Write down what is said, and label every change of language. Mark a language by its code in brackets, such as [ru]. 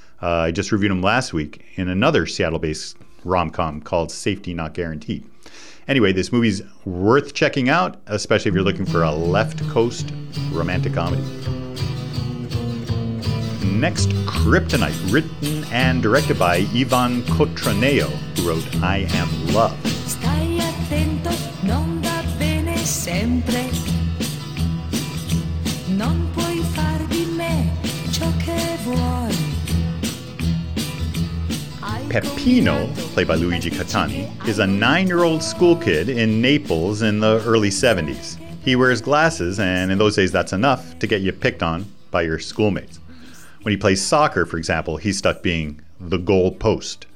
[en] I just reviewed him last week in another Seattle-based rom-com called Safety Not Guaranteed. Anyway, this movie's worth checking out, especially if you're looking for a left coast romantic comedy. Next, Kryptonite, written and directed by Ivan Cotroneo, who wrote I Am Love. [it] Stai attento, non va bene sempre. Non puoi far di me ciò che vuoi. [en] Peppino, played by Luigi Cattani, is a nine-year-old school kid in Naples in the early 70s. He wears glasses, and in those days that's enough to get you picked on by your schoolmates. When he plays soccer, for example, he's stuck being the goal post.